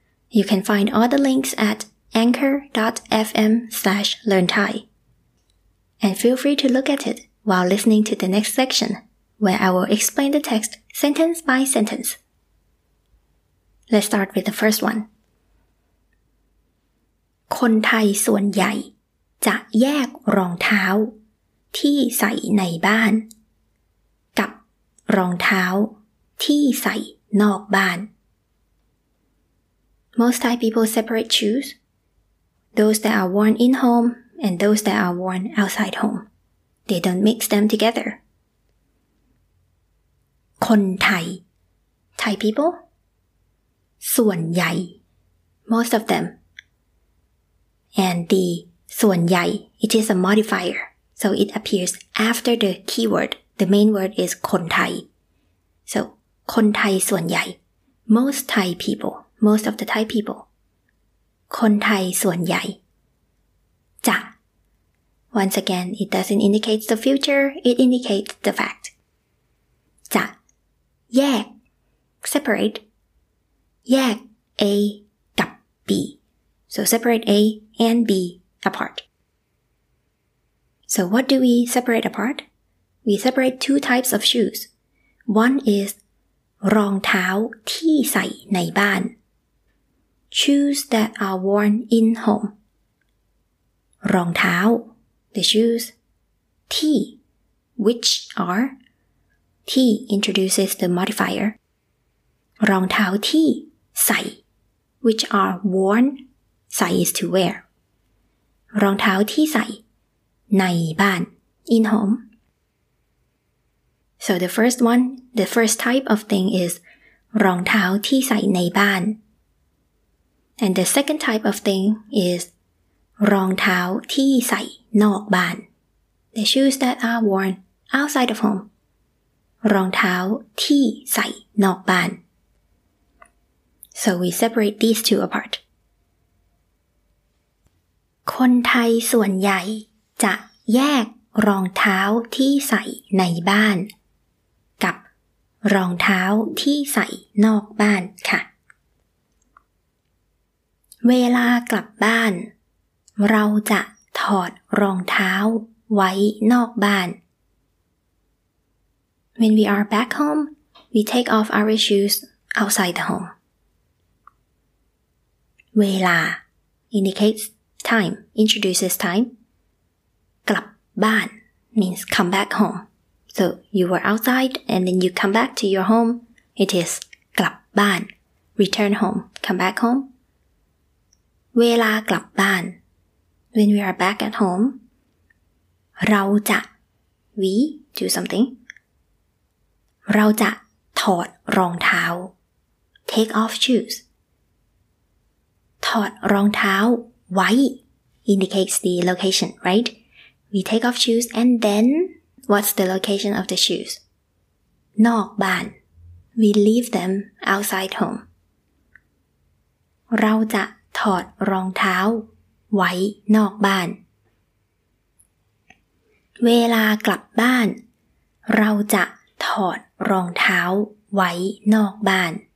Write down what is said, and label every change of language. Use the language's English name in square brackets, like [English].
[English] You can find all the links at anchor.fm/learnthai. And feel free to look at it while listening to the next section, where I will explain the text sentence by sentence. Let's start with the first one. [Thai] คนไทยส่วนใหญ่จะแยกรองเท้าที่ใส่ในบ้านกับรองเท้าที่ใส่นอกบ้าน [English] Most Thai people separate shoes, those that are worn in home and those that are worn outside home. They don't mix them together. [Thai] คนไทย [English] Thai people [Thai] ส่วนใหญ่ [English] Most of them. And the ส่วนใหญ่ it is a modifier. So it appears after the keyword. The main word is คนไทย. So คนไทยส่วนใหญ่. Most Thai people. Most of the Thai people. [Thai] คนไทยส่วนใหญ่. [English] จะ. Once again, it doesn't indicate the future. It indicates the fact. จะ. แยก. Separate. แยก A กับ B. So separate A and B apart. So what do we separate apart? We separate two types of shoes. One is [Thai] รองเท้าที่ใส่ในบ้าน [English] Shoes that are worn in home. รองเท้า The shoes. ที่ Which are. ที่ introduces the modifier. [Thai] รองเท้าที่ใส่ [English] Which are worn. ใส่ is to wear. [Thai] รองเท้าที่ใส่ในบ้าน [English] in home. So the first one, the first type of thing is [Thai] รองเท้าที่ใส่ในบ้าน [English] And the second type of thing is [Thai] รองเท้าที่ใส่นอกบ้าน [English] The shoes that are worn outside of home. [Thai] รองเท้าที่ใส่นอกบ้าน [English] So we separate these two apart. [Thai] คนไทยส่วนใหญ่จะแยกรองเท้าที่ใส่ในบ้านกับรองเท้าที่ใส่นอกบ้านค่ะเวลากลับบ้านเราจะถอดรองเท้าไว้นอกบ้าน [English] When we are back home, we take off our shoes outside the home. [Thai] เวลา [English] indicates time, introduces time [Thai] กลับบ้าน [English] means come back home. So you were outside and then you come back to your home. It is กลับบ้าน return home, come back home. [Thai] เวลากลับบ้าน [English] when we are back at home, [Thai] เราจะ [English] we do something. [Thai] เราจะถอดรองเท้า [English] take off shoes. [Thai] ถอดรองเท้าไว้ [English] indicates the location, right? We take off shoes and then, what's the location of the shoes? [Thai] นอกบ้าน. [English] We leave them outside home. [Thai] เราจะถอดรองเท้าไว้นอกบ้าน. เวลากลับบ้าน, เราจะถอดรองเท้าไว้นอกบ้าน.